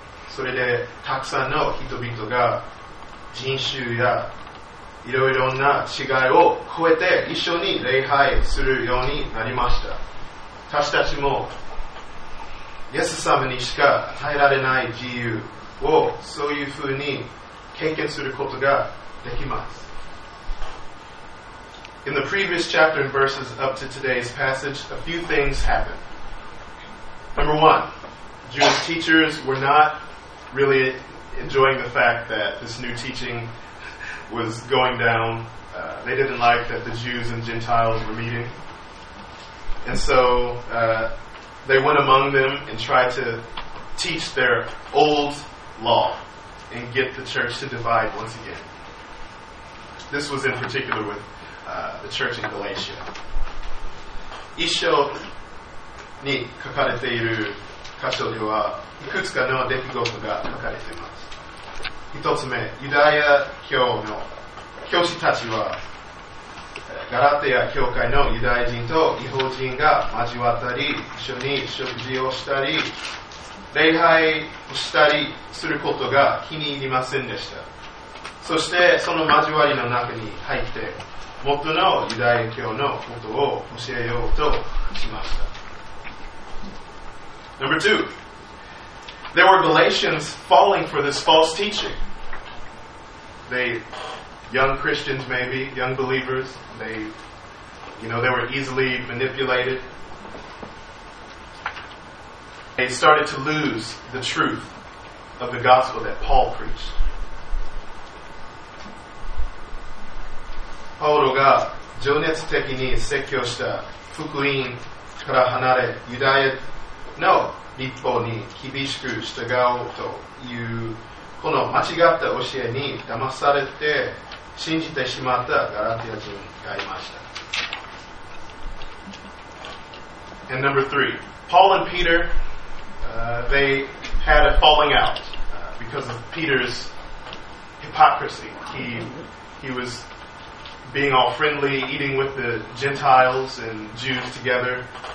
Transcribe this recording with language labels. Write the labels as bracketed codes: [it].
[ja] それでたくさんの人々が人種やいろいろな違いを超えて一緒に礼拝するようになりました。私たちもイエス様にしか与えられない自由をそういうふうに経験することができます。 [en] In the previous chapter and verses up to today's passage, a few things happened. Number one, Jewish teachers were not really enjoying the fact that this new teaching was going down. They didn't like that the Jews and Gentiles were meeting. And so they went among them and tried to teach their old law and get the church to divide once again. This was in particular with the church in Galatia. [ja] 一章に書かれている箇所ではいくつかの出来事が書かれています。一つ目、ユダヤ教の教師たちはガラテヤ教会のユダヤ人と異邦人が交わったり、一緒に食事をしたり、礼拝をしたりすることが気に入りませんでした。そしてその交わりの中に入って、元のユダヤ教のことを教えようとしました。 [en] Number two, there were Galatians falling for this false teaching. Young Christians, maybe, young believers, they were easily manipulated. They started to lose the truth of the gospel that Paul preached. [ja] パウロが情熱的に説教した福音から離れ、ユダヤの立法に厳しく従おうという、この間違った教えに騙されて、信じてしまったガラティア人がいました。 [en] And number three, Paul and Peter, they had a falling out because of Peter's hypocrisy. He was being all friendly, eating with the Gentiles and Jews together.